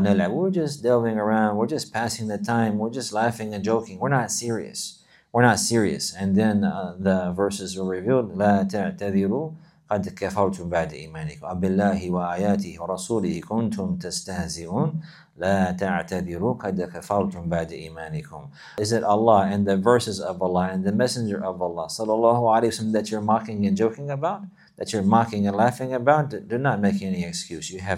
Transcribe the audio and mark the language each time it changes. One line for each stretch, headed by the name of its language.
English: We're just delving around, we're just passing the time, we're just laughing and joking, we're not serious. And then the verses were revealed,
Arabic: لا تعتذروا قد كفرتم بعد إيمانكم أبالله وآياته ورسوله كنتم تستهزئون لا تعتذروا قد كفرتم بعد إيمانكم.
English: Is it Allah and the verses of Allah and the Messenger of Allah sallallahu alayhi wa sallam that you're mocking and joking about? That you're mocking and laughing about? Do not make any excuse.